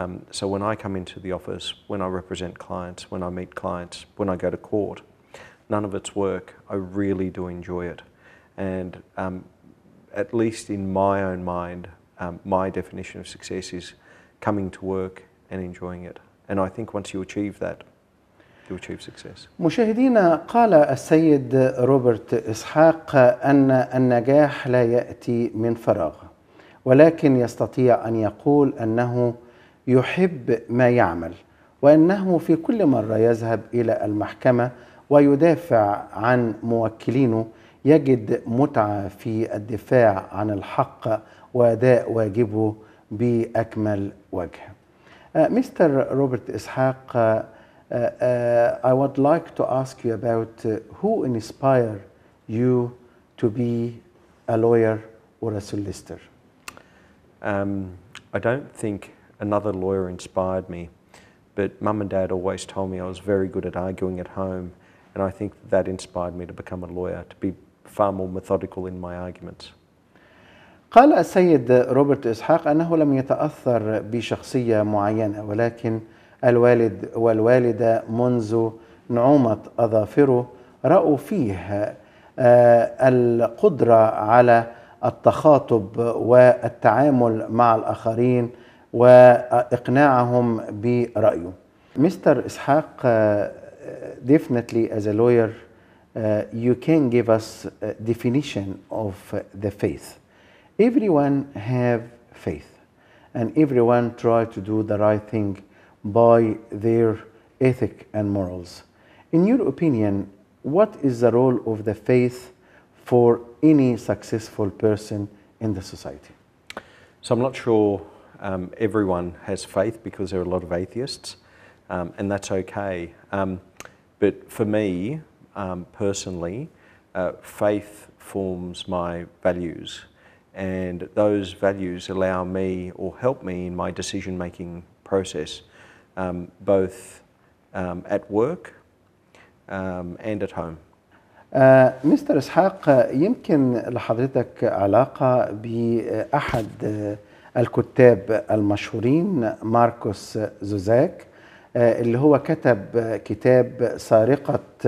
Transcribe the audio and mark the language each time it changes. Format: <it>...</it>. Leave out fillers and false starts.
<en>So when I come into the office, when I represent clients, when I meet clients, when I go to court, none of its work, I really do enjoy it. And at least in my own mind, my definition of success is coming to work and enjoying it. And I think once you achieve that, you achieve success.</en> <ar>مشاهدينا، قال السيد روبرت إسحاق أن النجاح لا يأتي من فراغ، ولكن يستطيع أن يقول أنه يحب ما يعمل، وأنه في كل مرة يذهب إلى المحكمة ويدافع عن موكلينه يجد متعة في الدفاع عن الحق وأداء واجبه بأكمل وجه.</ar> <en>Mr. Robert Ishaq, I would like to ask you about who inspired you to be a lawyer or a solicitor. I don't think another lawyer inspired me, but mum and dad always told me I was very good at arguing at home. And I think that inspired me to become a lawyer, to be far more methodical in my arguments.</en> <ar>قال السيد روبرت إسحاق أنه لم يتأثر بشخصية معينة، ولكن الوالد والوالدة منذ نعومة أظافره رأوا فيه القدرة على التخاطب والتعامل مع الآخرين وإقناعهم برأيه.</ar> <en>Mister إسحاق، definitely as a lawyer, you can give us a definition of the faith. Everyone have faith, and everyone try to do the right thing by their ethic and morals. In your opinion, what is the role of the faith for any successful person in the society? So I'm not sure everyone has faith, because there are a lot of atheists, and that's okay. But for me, personally, faith forms my values, and those values allow me or help me in my decision-making process, both at work and at home.</en> <ar>مستر اسحاق, يمكن لحضرتك علاقة بأحد الكتاب المشهورين ماركوس زوزاك اللي هو كتب كتاب سارقة</ar>